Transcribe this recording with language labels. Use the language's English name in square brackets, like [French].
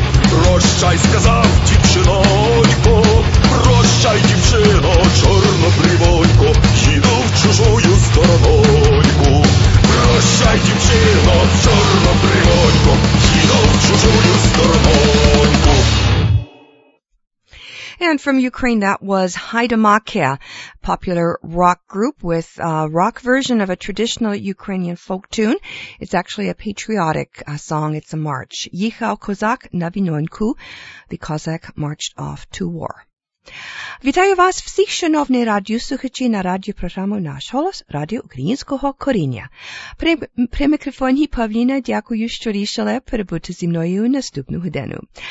[Ukrainian] Прощай, сказав дівчинонько, прощай, дівчино, чорнобривонько, їду в чужую сторононьку. Прощай, дівчино, чорнобривонько, їду в чужую сторононьку. [English] And from Ukraine, that was Haidamakia, popular rock group with a rock version of a traditional Ukrainian folk tune. It's actually a patriotic song. It's a march. [Ukrainian] Їхав козак на війноньку. [English] The Cossack marched off to war. [Ukrainian] Вітаю вас всіх, шановні радіослухачі, на радіопрограму «Наш голос» Радіо Українського коріння. При мікрофоні Павліна, дякую, що рішили перебути зі мною наступну годину.